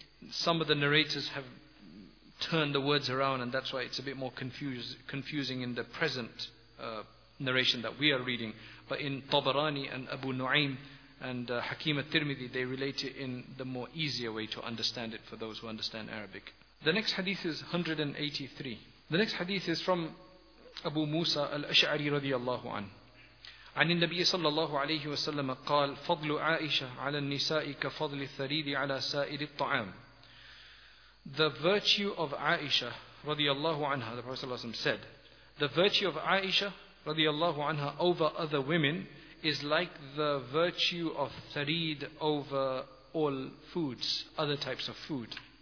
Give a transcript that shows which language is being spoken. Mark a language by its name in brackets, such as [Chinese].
[English] Some of the narrators have turned the words around, and that's why it's a bit more confusing in the present narration that we are reading. But in Tabarani and Abu Nu'aym and Hakim al-Tirmidhi, they relate it in the more easier way to understand it for those who understand Arabic. The next hadith is 183. The next hadith is from Abu Musa al-Ash'ari radiallahu anhu. [Arabic] عن النبي صلى الله عليه وسلم قال فضل عائشة على النساء كفضل الثريد على سائر الطعام. [English] The virtue of Aisha رضي الله عنها, the Prophet صلى الله عليه وسلم said, the virtue of Aisha رضي الله عنها over other women is like the virtue of ثريد over all foods, other types of food.